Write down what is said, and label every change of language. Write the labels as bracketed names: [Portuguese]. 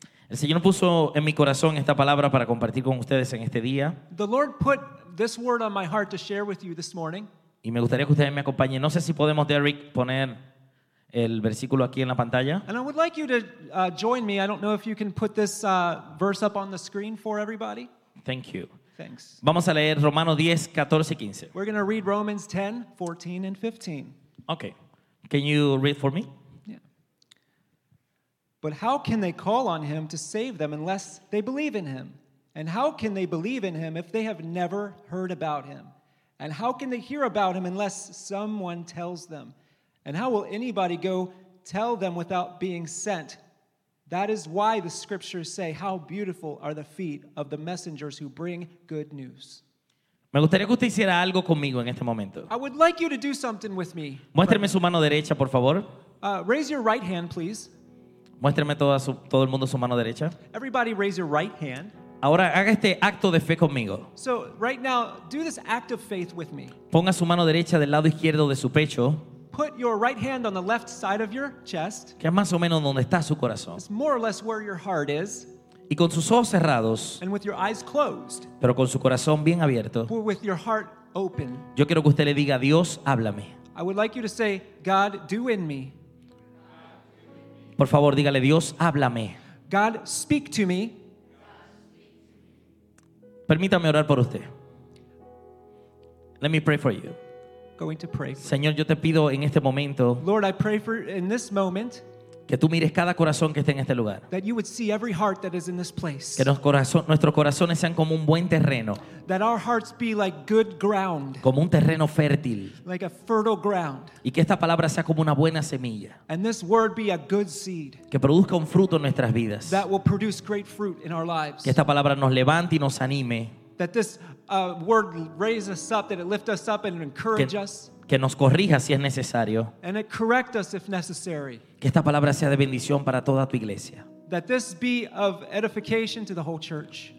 [Spanish] El Señor puso en mi corazón esta palabra para compartir con ustedes en este día. [English] The Lord put this word on my heart to share with you this morning. [Spanish] Y me gustaría que ustedes me acompañen. No sé si podemos, Derek, poner el versículo aquí en la pantalla. [English] And I would like you to join me. I don't know if you can put this verse up on the screen for everybody. Thank you. Thanks. [Spanish] Vamos a leer Romanos 10, 14 y 15. [English] We're going to read Romans 10, 14 and 15. Okay. Can you read for me? Yeah. But how can they call on him to save them unless they believe in him? And how can they believe in him if they have never heard about him? And how can they hear about him unless someone tells them? And how will anybody go tell them without being sent? That is why the scriptures say, how beautiful are the feet of the messengers who bring good news. [Spanish] Me gustaría que usted hiciera algo conmigo en este momento. [English] I would like you to do something with me. [Spanish] Muéstreme su mano derecha, por favor. [English] Raise your right hand, please. [Spanish] Muéstreme todo el mundo su mano derecha. [English] Everybody raise your right hand. [Spanish] Ahora haga este acto de fe conmigo. [English] So right now, do this act of faith with me. [Spanish] Ponga su mano derecha del lado izquierdo de su pecho. [English] Put your right hand on the left side of your chest. [Spanish] Que es más o menos donde está su corazón. [English] It's more or less where your heart is. [Spanish] Y con sus ojos cerrados. [English] And with your eyes closed. [Spanish] Pero con su corazón bien abierto. [English] With your heart open. [Spanish] Yo quiero que usted le diga, Dios, háblame. [English] I would like you to say, God, do in me. [Spanish] Por favor, dígale, Dios, háblame. [English] God, speak to me. [Spanish] Permítame orar por usted. [English] Let me pray for you. Going to pray for. [Spanish] Señor, yo te pido en este momento. [English] Lord, I pray for in this moment. [Spanish] Que tú mires cada corazón que esté en este lugar. [English] That you would see every heart that is in this place. [Spanish] Que nuestros corazones sean como un buen terreno. [English] That our hearts be like good ground. [Spanish] Como un terreno fértil. [English] Like a fertile ground. [Spanish] Y que esta palabra sea como una buena semilla. [English] And this word be a good seed. [Spanish] Que produzca un fruto en nuestras vidas. [English] That will produce great fruit in our lives. [Spanish] Que esta palabra nos levante y nos anime. [English] That this word raise us up, that it lift us up and encourage us. [Spanish] Que nos corrija si es necesario. [English] And it correct us if necessary. [Spanish] Que esta palabra sea de bendición para toda tu iglesia. [English] That this be of edification to the whole church.